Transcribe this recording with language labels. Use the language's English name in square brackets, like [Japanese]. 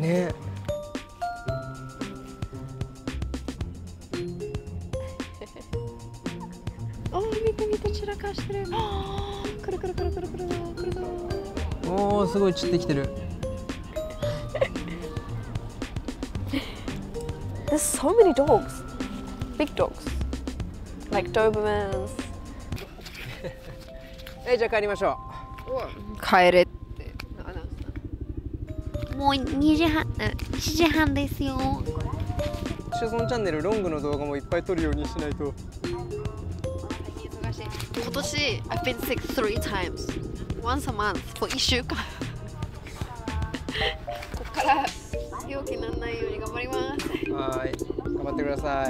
[Japanese] ねえおお見て見て散らかしてるくるくるくるくるくるくるくるおおすごい散ってきてる [English] There's so many dogs big dogs like Dobermans [Japanese] じゃあ帰りましょう帰れってもう2時半、1時半ですよ 12 しそのチャンネルロングの動画もいっぱい撮るようにしないと。今年 [English] I've been sick three times. Once a month for [Japanese] 1週間。ここから病気にならないように頑張ります。はい、頑張ってください。